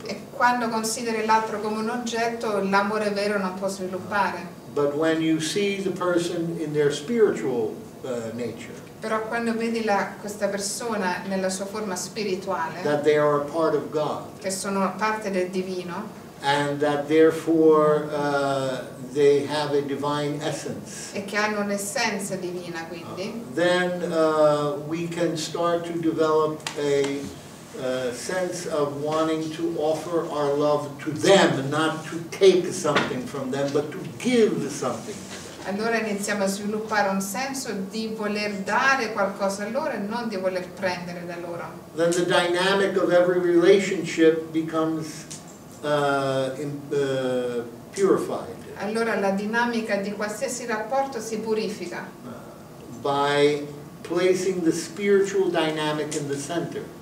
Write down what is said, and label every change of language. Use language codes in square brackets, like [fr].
[it] E quando consideri l'altro come un oggetto, l'amore vero non può sviluppare. [en] But when you see the person in their spiritual nature, [it] però quando vedi questa persona nella sua forma spirituale, [en] that they are a part of God, [it] che sono parte del divino, [en] and that therefore they have a divine essence, [it] e che hanno un'essenza divina, quindi, [en] then we can start to develop a sense of wanting to offer our love to them, not to take something from them, but to give something. [it] Allora iniziamo a sviluppare un senso di voler dare qualcosa a loro e non di voler prendere da loro. [en] Then the dynamic of every relationship becomes purified. [it] Allora la dinamica di qualsiasi rapporto si purifica. [en] By placing the spiritual dynamic in the center.